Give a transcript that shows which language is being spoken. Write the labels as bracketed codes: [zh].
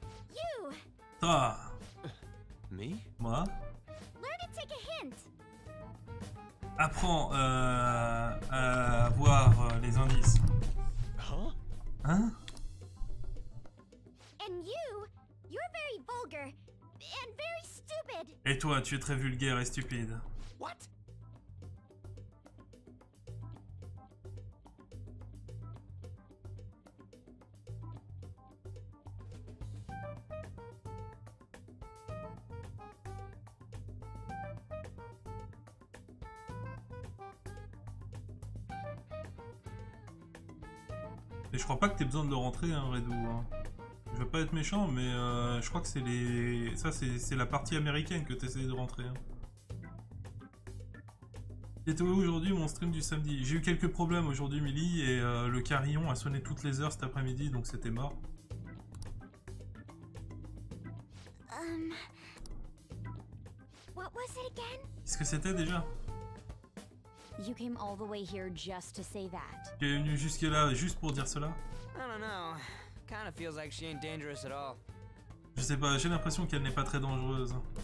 [en] You. [fr] Toi. [en] Me? [fr] Moi. [en] Learn to take a hint. [fr] Apprends à voir les indices. [en] Huh? [fr] Hein? [en] And you, you're very vulgar and very stupid. [fr] Et toi, tu es très vulgaire et stupide. [en] What? [fr] Et je crois pas que t'aies besoin de le rentrer, hein, Redou. Hein. Je veux pas être méchant, mais je crois que c'est les. Ça, c'est la partie américaine que t'essayais de rentrer. Hein. T'étais où aujourd'hui, mon stream du samedi? J'ai eu quelques problèmes aujourd'hui, Milly, et le carillon a sonné toutes les heures cet après-midi, donc c'était mort. [en] What was it again? [fr] Qu'est-ce que c'était déjà? [en] You came all the way here just to say that. [fr] Tu es venu jusque là juste pour dire cela? [en] I don't know. Kind of feels like she ain't dangerous at all. [fr] Je sais pas, j'ai l'impression qu'elle n'est pas très dangereuse.